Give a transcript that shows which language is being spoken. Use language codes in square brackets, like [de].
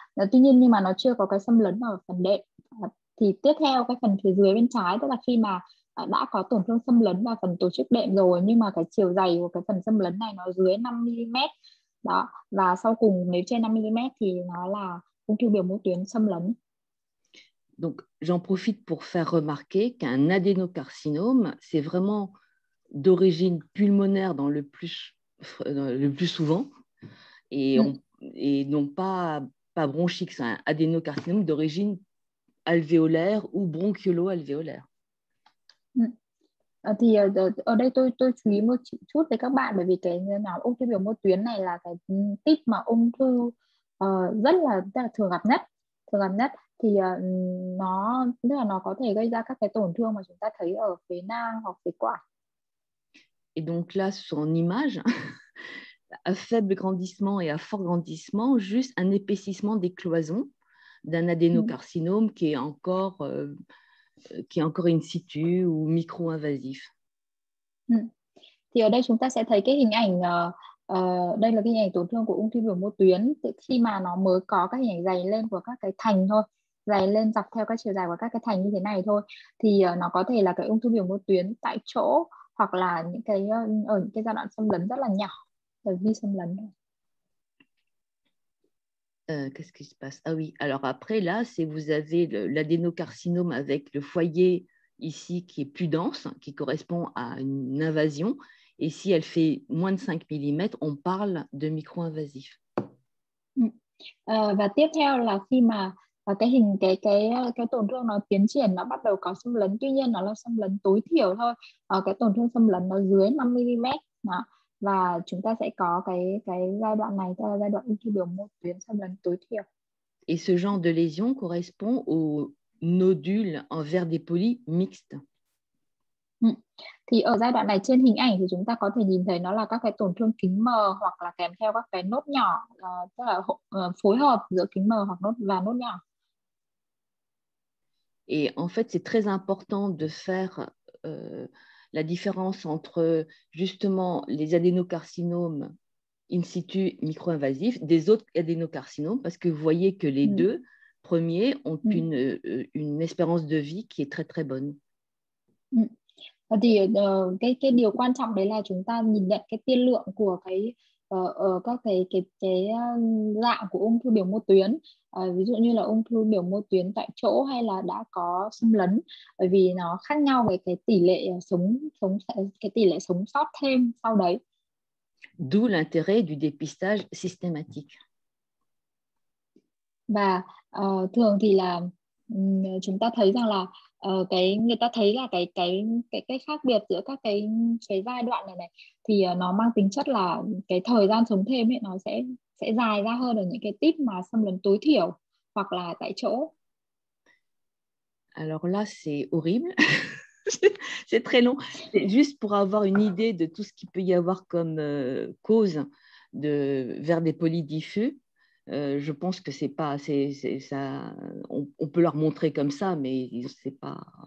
[vi] Đó, tuy nhiên nhưng mà nó chưa có cái xâm lấn ở phần đệm. Thì tiếp theo cái phần phía dưới bên trái, tức là khi mà đã có tổn thương xâm lấn vào phần tổ chức đệm rồi, nhưng mà cái chiều dày của cái phần xâm lấn này nó dưới 5 mm. Đó, và sau cùng nếu trên 5 mm thì nó là ung thư biểu mô tuyến xâm lấn. [fr] Donc, j'en profite pour faire remarquer qu'un adénocarcinome, c'est vraiment d'origine pulmonaire dans le plus souvent, et non pas bronchique, c'est un adénocarcinome d'origine alvéolaire ou bronchiolo-alvéolaire. [vi] Thì ở đây tôi chú ý một chút với các bạn, bởi vì cái nhóm ung thư biểu mô tuyến này là cái típ mà ung thư rất là thường gặp nhất. Thì nó tức là nó có thể gây ra các cái tổn thương mà chúng ta thấy ở phế nang hoặc phế quản. [fr] Et donc là, son image, à faible grandissement et à fort grandissement, juste un épaississement des cloisons d'un adénocarcinome qui est encore in situ ou micro-invasif. [vi] Thì ở đây chúng ta sẽ thấy cái hình ảnh đây là cái hình ảnh tổn thương của ung thư biểu mô tuyến khi mà nó mới có các hình ảnh dày lên của các cái thành thôi, dày lên dọc theo các chiều dài của các cái thành như thế này thôi. Thì nó có thể là cái ung thư biểu mô tuyến tại chỗ hoặc là những cái ở những cái giai đoạn xâm lấn rất là nhỏ, là vi xâm lấn. [fr] Qu'est-ce qui se passe? Ah oui, alors après, là, c'est vous avez l'adénocarcinome avec le foyer ici qui est plus dense, qui correspond à une invasion. Et si elle fait moins de 5 mm, on parle de micro-invasif. [vi] Và tiếp theo là khi mà cái hình cái tổn thương nó tiến triển, nó bắt đầu có xâm lấn, tuy nhiên nó là xâm lấn tối thiểu thôi, cái tổn thương xâm lấn nó dưới 5 mm đó, và chúng ta sẽ có cái giai đoạn này, cái giai đoạn ung thư biểu mô tuyến xâm lấn tối thiểu. [fr] Et ce genre de lésion correspond aux nodules en verre dépoli mixte. [vi] Thì ở giai đoạn này trên hình ảnh thì chúng ta có thể nhìn thấy nó là các cái tổn thương kính mờ hoặc là kèm theo các cái nốt nhỏ, tức là phối hợp giữa kính mờ hoặc nốt và nốt nhỏ. [fr] Et en fait, c'est très important de faire la différence entre justement les adénocarcinomes in situ micro-invasif des autres adénocarcinomes, parce que vous voyez que les deux premiers ont une espérance de vie qui est très très bonne. [vi] Thì cái điều quan trọng đấy là chúng ta nhìn nhận cái tiên lượng của cái các cái dạng của ung thư biểu mô tuyến, ví dụ như là ung thư biểu mô tuyến tại chỗ hay là đã có xâm lấn, bởi vì nó khác nhau về cái tỷ lệ sống sống cái tỷ lệ sống sót thêm sau đấy. [fr] D'où l'intérêt du dépistage systématique. [vi] Và thường thì là chúng ta thấy rằng là cái người ta thấy là cái khác biệt giữa các cái giai đoạn này này thì nó mang tính chất là cái thời gian sống thêm ấy, nó sẽ dài ra hơn ở những cái típ mà xâm lấn tối thiểu hoặc là tại chỗ. [fr] Alors là, c'est horrible. C'est très long. C'est juste pour avoir une idée de tout ce qu'il peut y avoir comme cause de verre dépoli diffus. Je pense que c'est pas assez. Ça, on peut leur montrer comme ça, mais c'est pas.